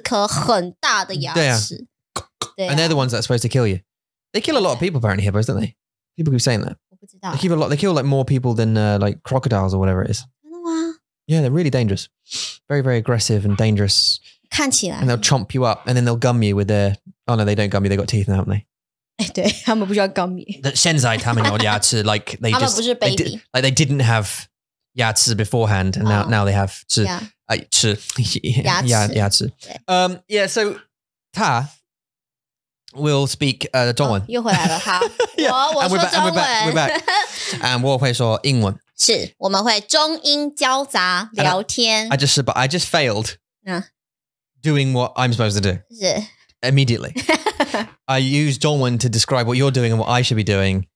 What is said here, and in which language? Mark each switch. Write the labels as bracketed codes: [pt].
[zh] 你眼睛还好吗?啊,他有头痛。哦,那个卡通他们在画那个河马的时候都会画了四颗很大的牙齿。对啊。 [en] And they're the ones that are supposed to kill you. They kill a lot of people apparently, hippos, don't they? People keep saying that. [zh] 我不知道。 [en] They kill like more people than like crocodiles or whatever it is. [zh] 真的吗? [en] Yeah, they're really dangerous. Very, very aggressive and dangerous. [zh] 看起来。 [en] And they'll chomp you up and then they'll gum you with their... Oh no, they don't gum you, they've got teeth now, haven't they? [zh] 对,他们不需要gummy。现在他们有牙齿, [en] like they just... [zh] 他们不是baby。 [en] Like they didn't have 牙齿 beforehand, and now they have 齿, yeah. [zh] 齿, 牙齿。 [en] 牙齿。Yeah, so 他 will speak 中文。 [zh] 又回来了,好。yeah. 我说中文。 And 我会说英文。是,我们会中英交杂聊天。 [en] I just failed doing what I'm supposed to do. [zh] 是。 [en] Immediately. I used 中文 to describe what you're doing and what I should be doing